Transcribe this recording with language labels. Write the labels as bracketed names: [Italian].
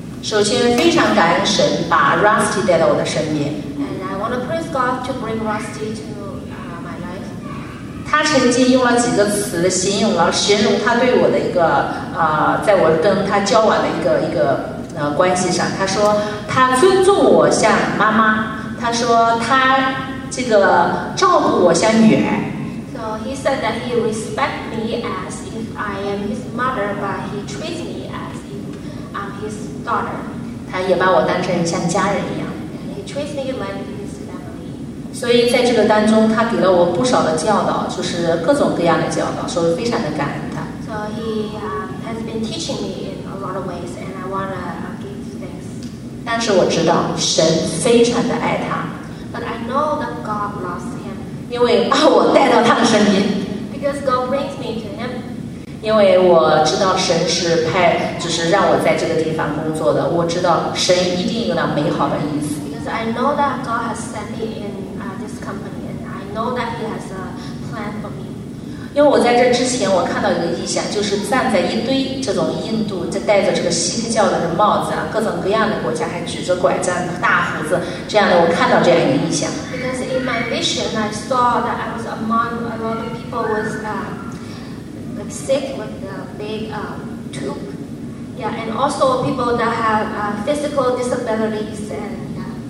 [Chinese] 首先非常感恩神把 Rusty 带到我的身边。 [English] I want to praise God to bring Rusty to my life. [Chinese] 他曾经用了几个词形容了形容他对我的一个在我跟他交往的一个关系上，他说他尊重我像妈妈，他说他这个照顾我像女儿。 [English] So he said that he respects me as if I am his mother, but he treats me as if I'm his daughter. [Chinese] 他也把我当成像家人一样。 [English] He treats me like. [Chinese] 所以在这个当中他给了我不少的教导，就是各种各样的教导，所以非常的感恩他。 [English] So he has been teaching me in a lot of ways and I want to give thanks. [Chinese] 但是我知道神非常的爱他。 [English] But I know that God loves him. [Chinese] 因为把我带到他的身边。 [English] Because God brings me to him. [Chinese] 因为我知道神是派就是让我在这个地方工作的，我知道神一定有了美好的意思。 [English] Because I know that God has sent me inKnow that he has a plan for me. [Chinese] 因为我在这之前，我看到一个意象，就是站在一堆这种印度，这戴着这个锡克教的这帽子啊，各种各样的国家，还举着拐杖、大胡子这样的，我看到这样一个意象。 [English] Because in my vision, I saw that I was among a lot of people with like sick with the big tube, yeah, and also people that have physical disabilities and yeah.